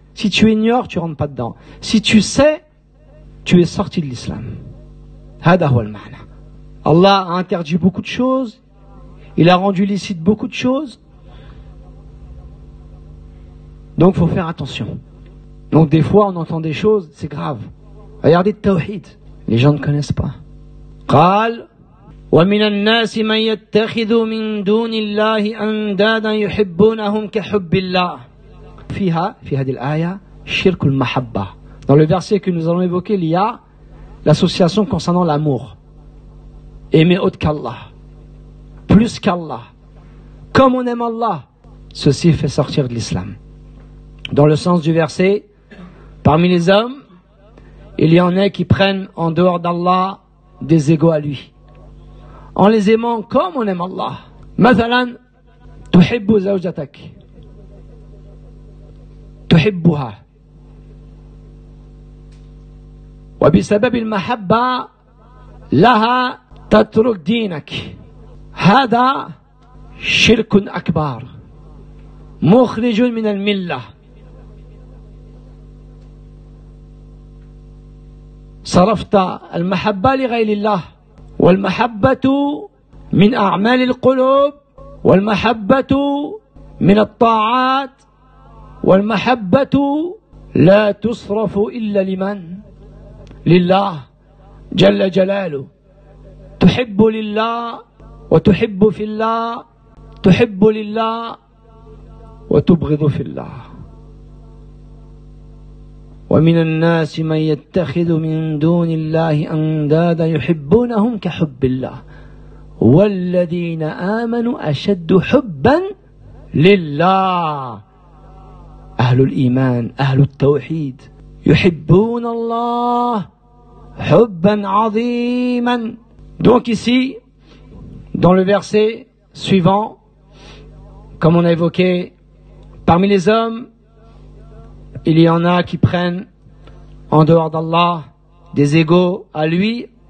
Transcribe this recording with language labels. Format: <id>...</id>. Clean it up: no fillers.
<fr>Si tu ignores, tu ne rentres pas dedans. Si tu sais, tu es sorti de l'islam.</fr> <ar>Hada huwa al-ma'na.</ar> <fr>Allah a interdit beaucoup de choses, il a rendu licite beaucoup de choses, donc il faut faire attention. Donc des fois on entend des choses, c'est grave. Regardez le tawhid, les gens ne connaissent pas.</fr> <ar>قال ومن الناس من يتخذ من دون الله أندادا يحبونهم كحب الله. فيها في هذه الآية شرك المحبة.</ar> <fr>Dans le verset que nous allons évoquer, il y a l'association concernant l'amour. Aimer autre qu'Allah, plus qu'Allah, comme on aime Allah, ceci fait sortir de l'islam. Dans le sens du verset, parmi les hommes, il y en a qui prennent en dehors d'Allah des égaux à lui, en les aimant comme on aime Allah.</fr> <ar>Mathalan, tuhibbu zawjatak, tuhibbuha, wa bisabab al-mahabba laha تترك دينك، هذا شرك أكبر مخرج من الملة. صرفت المحبة لغير الله، والمحبة من أعمال القلوب، والمحبة من الطاعات، والمحبة لا تصرف إلا لمن لله جل جلاله. تحب لله وتحب في الله، تحب لله وتبغض في الله. ومن الناس من يتخذ من دون الله أندادا يحبونهم كحب الله والذين آمنوا أشد حبا لله. أهل الإيمان، أهل التوحيد يحبون الله حبا عظيما.</ar> <fr>Donc ici, dans le verset suivant, comme on a évoqué, parmi les hommes, il y en a qui prennent en dehors d'Allah des égaux à lui.</fr>